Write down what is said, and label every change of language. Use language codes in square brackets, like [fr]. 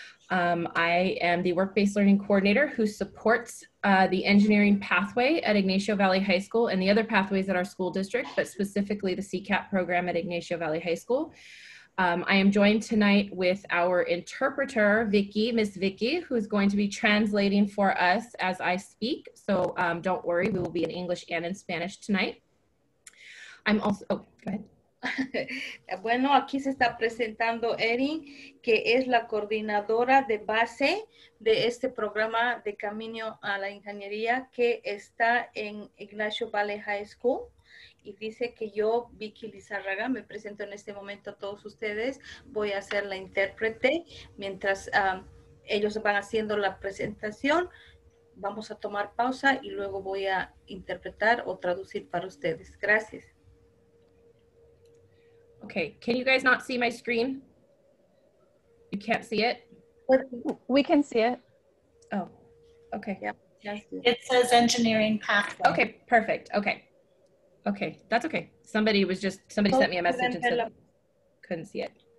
[en] I am the work-based learning coordinator who supports the engineering pathway at Ignacio Valley High School and the other pathways at our school district, but specifically the CCAP program at Ignacio Valley High School. I am joined tonight with our interpreter, Vicky, Ms. Vicky, who is going to be translating for us as I speak. So don't worry, we will be in English and in Spanish tonight. I'm also, oh, go ahead. [es] Bueno, aquí se está presentando Erin, que es la coordinadora de base de este programa de camino a la ingeniería que está en Ignacio Valley High School. Y dice que yo, Vicky Lizárraga, me presento en este momento a todos ustedes. Voy a ser la intérprete. Mientras ellos van haciendo la presentación, vamos a tomar pausa y luego voy a interpretar o traducir para ustedes. Gracias. [en] Okay, can you guys not see my screen? You can't see it? We can see it. Oh, okay. Yeah. It says engineering pathway. Okay, perfect. Okay. Okay, that's okay. Somebody sent me a message and said couldn't see it.